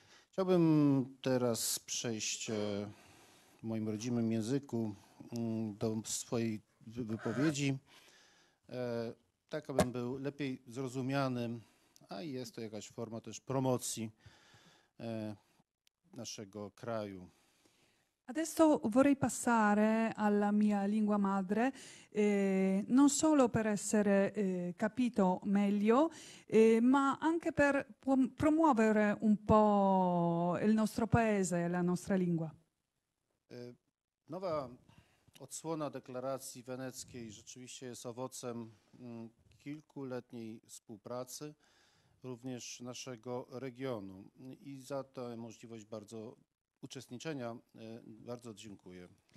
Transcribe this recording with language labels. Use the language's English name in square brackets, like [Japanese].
[Polish] Chciałbym teraz przejść w moim rodzimym języku do swojej wypowiedzi, tak abym był lepiej zrozumiany, a jest to jakaś forma też promocji naszego kraju. [Italian] Adesso vorrei passare alla mia lingua madre, non solo per essere capito meglio, ma anche per promuovere un po' il nostro paese e la nostra lingua. [Polish] Nowa odsłona deklaracji weneckiej rzeczywiście jest owocem kilkuletniej współpracy, również naszego regionu. I za tę możliwość bardzo uczestniczenia bardzo dziękuję.